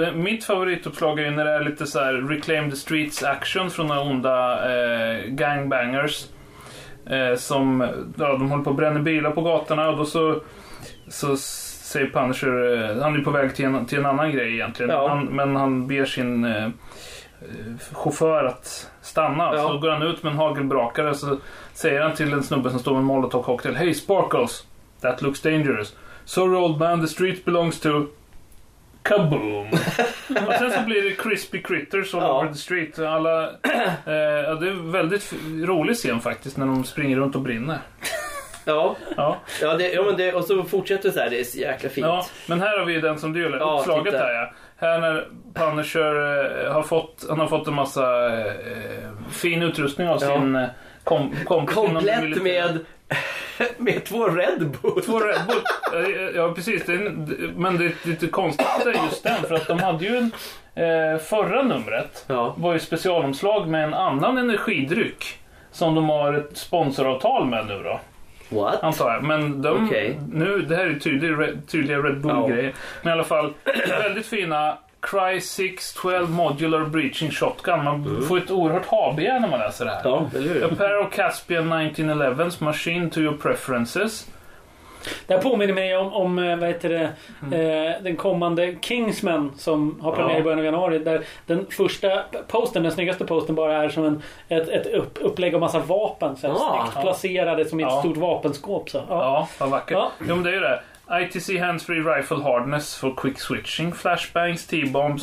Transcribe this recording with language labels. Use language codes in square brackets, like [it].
[sv] Mitt favorituppslag är när det är lite så här Reclaim the Streets action från några onda gangbangers som de håller på att bränna bilar på gatorna, och då så säger Punisher, han är på väg till en annan grej egentligen. Ja. Han ber sin chaufför att stanna, så går han ut med en hagelbrakare, så säger han till en snubbe som står med en molotov cocktail: [en] "Hey Sparkles, that looks dangerous. Sorry old man, the street belongs to kaboom." [sv] Och sen så blir det [en] crispy critters all over the street. [sv] Alla, det är en väldigt rolig scen faktiskt när de springer runt och brinner. Ja. Ja, det, ja men det, och så fortsätter det så här, det är så jäkla fint. Ja, men här har vi den som du gjorde, ja, uppslaget titta. Här, ja. Här när Punisher har fått, han har fått en massa fin utrustning av sin komplett med två Red Bull. Två Red Bull. Ja, precis. Det är, men det är lite konstigt är just den, för att de hade ju en, förra numret var ju specialomslag med en annan energidryck som de har ett sponsoravtal med nu då. [en] What? [sv] Antar jag. Men de, nu, det här är tydliga, tydliga Red Bull-grejer. Men i alla fall, väldigt fina Cry 612 Modular Breaching Shotgun. Man får ett oerhört HBR när man läser det här. Ja, [en] a pair of Caspian 1911s machine to your preferences. [sv] Det här påminner mig om vad heter det, den kommande Kingsman som har premiär i början av januari, där den första posten, den snyggaste posten, bara är som en, ett upplägg av massa vapen så snyggt placerade som ett stort vapenskåp så. Vad vackert. Jo, men det är det. [en] ITC Handsfree Rifle Hardness for quick switching, flashbangs, T-bombs.